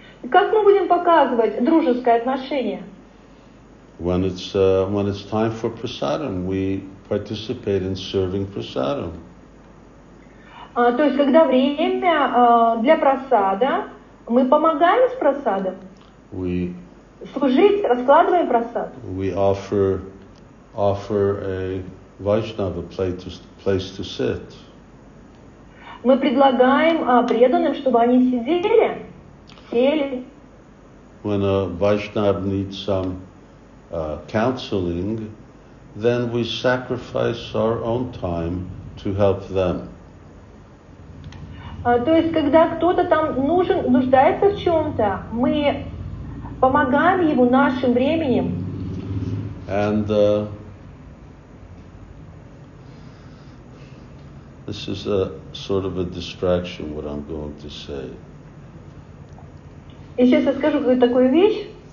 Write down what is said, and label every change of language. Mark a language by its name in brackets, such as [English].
[Russian] Как мы будем показывать дружеское отношение? [English] When it's time for prasadam, we participate in serving prasadam. [Russian] То есть когда время для прасада, мы помогаем с прасадом. [English] We [Russian] служить, раскладываем прасад. [English] We offer a Vaishnava place to sit. [Russian] Мы предлагаем преданным, чтобы они сидели. [English] When a Vaishnava needs some counseling, then we sacrifice our own time to help them. [Russian] То есть, когда кто-то там нуждается в чем-то, мы помогаем ему нашим временем. [English] And this is a sort of a distraction, what I'm going to say. [Russian] И сейчас я скажу какую-то такую вещь.